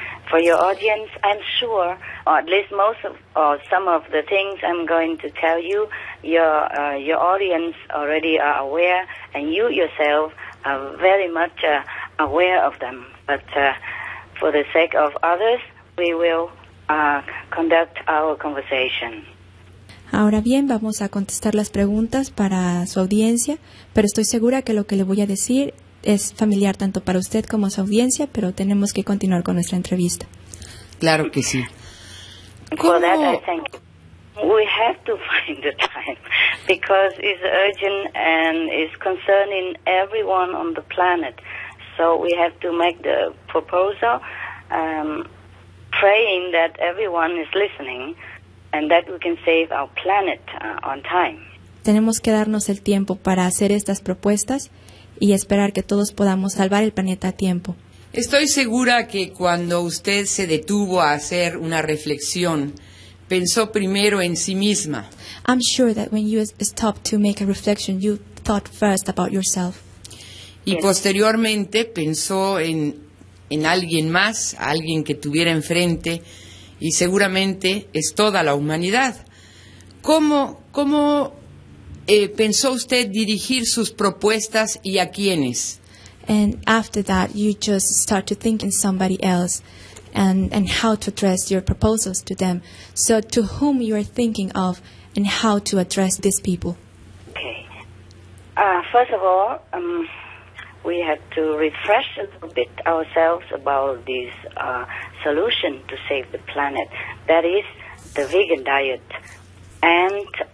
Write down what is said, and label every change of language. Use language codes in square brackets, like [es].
[en] For your audience, I'm sure, or at least some of the things I'm going to tell you, your audience already are aware, and you yourself are very much aware of them. But for the sake of others, we will conduct our conversation. [es] Ahora bien, vamos a contestar las preguntas para su audiencia, pero estoy segura que lo que le voy a decir es familiar tanto para usted como su audiencia, pero tenemos que continuar con nuestra entrevista. Claro que sí. ¿Cómo? [en] For that, I think we have to find the time because it's urgent and it's concerning everyone on the planet. So we have to make the proposal, praying that everyone is listening and that we can save our planet on time. [es] Tenemos que darnos el tiempo para hacer estas propuestas y esperar que todos podamos salvar el planeta a tiempo. Estoy segura que cuando usted se detuvo a hacer una reflexión, pensó primero en sí misma. [en] I'm sure that when you stopped to make a reflection, you thought first about yourself. Y yes. [es] Posteriormente pensó en alguien más, alguien que tuviera enfrente, y seguramente es toda la humanidad. ¿Cómo pensó usted dirigir sus propuestas y a quiénes? [en] And after that, you just start to think in somebody else and how to address your proposals to them. So to whom you are thinking of and how to address these people? Okay. First of all, we have to refresh a little bit ourselves about this solution to save the planet. That is the vegan diet and